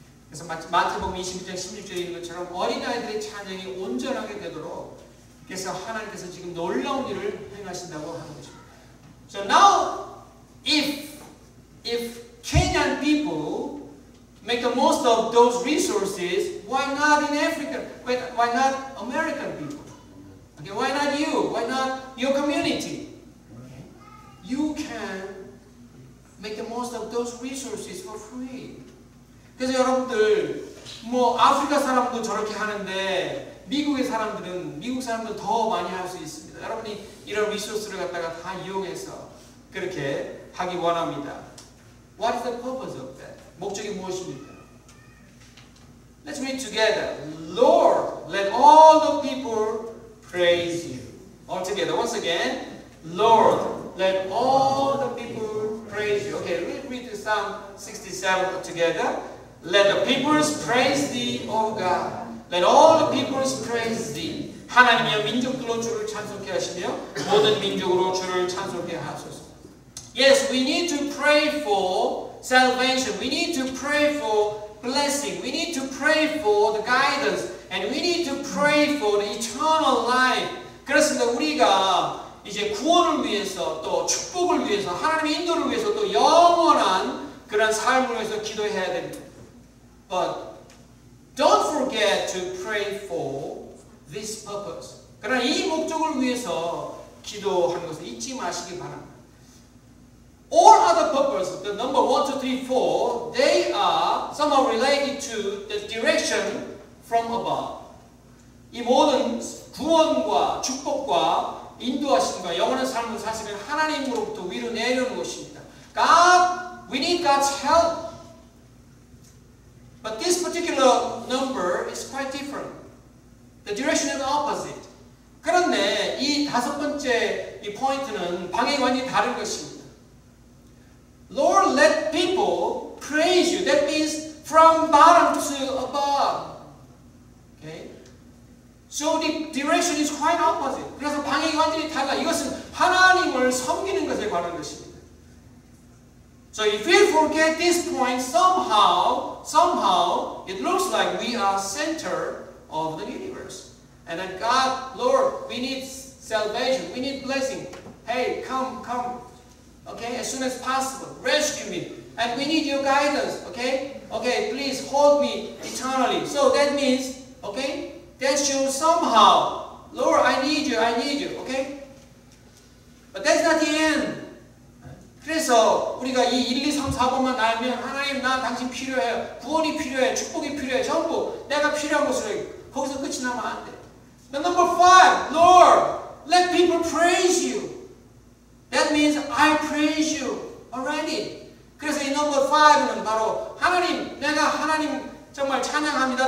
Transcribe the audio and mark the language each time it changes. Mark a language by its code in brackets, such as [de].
[ko] 그래서 마태복음 26장 16절에 있는 것처럼 어린아이들의 찬양이 온전하게 되도록 그래서 하나님께서 지금 놀라운 일을 행하신다고 하는 것입니다. [en] So now, if Kenyan people make the most of those resources, why not in Africa? Why not American people? Okay, why not you? Why not your community? Okay. You can make the most of those resources for free. [ko] 그래서 여러분들, 뭐 아프리카 사람도 저렇게 하는데 미국의 사람들은 미국 사람들 더 많이 할 수 있습니다. 여러분이 이런 리소스를 갖다가 다 이용해서 그렇게 하기 원합니다. [en] What is the purpose of that? [ko] 목적이 무엇입니까? [en] Let's read together. Lord, let all the people praise you. All together, once again. Lord, let all the people praise you. Okay, let's read the Psalm 67 together. Let the peoples praise thee, O God. Let all the peoples praise thee. [ko] 하나님이여 민족들로 주를 찬송케 하시며 모든 민족으로 주를 찬송케 하소서. [en] Yes, we need to pray for salvation. We need to pray for blessing. We need to pray for the guidance. And we need to pray for the eternal life. [ko] 그렇습니다. 우리가 이제 구원을 위해서 또 축복을 위해서 하나님의 인도를 위해서 또 영원한 그런 삶을 위해서 기도해야 됩니다. [en] But don't forget to pray for this purpose. [ko] 그러나 이 목적을 위해서 기도하는 것을 잊지 마시기 바랍니다. [en] All other purposes, the number 1, 2, 3, 4, they are somehow related to the direction from above. [ko] 이 모든 구원과 축복과 인도하심과 영원한 삶은 사실은 하나님으로부터 위로 내려오는 것입니다. [en] God, we need God's help. But this particular number is quite different. The direction is opposite. [ko] 그런데 이 다섯 번째 이 포인트는 방향이 다른 것입니다. [en] Lord, let people praise you. That means from bottom to above. Okay? So the direction is quite opposite. [ko] 그래서 방향이 완전히 달라. 이것은 하나님을 섬기는 것에 관한 것입니다. [en] So if we forget this point, somehow, it looks like we are center of the universe. And then God, Lord, we need salvation. We need blessing. Hey, come. Okay, as soon as possible, rescue me. And we need your guidance, okay? Okay, please hold me eternally. So that means, okay, that shows somehow, Lord, I need you, okay? But that's not the end. [ko] 그래서 우리가 이 1, 2, 3, 4번만 알면 하나님, 나 당신 필요해요. 구원이 필요해, 축복이 필요해, 전부 내가 필요한 것으로 거기서 끝이 나면 안 돼. [en] But number 5, Lord, let people praise you. That means I praise you already. [ko] 그래서 이 number 5는 바로 하나님, 내가 하나님 정말 찬양합니다.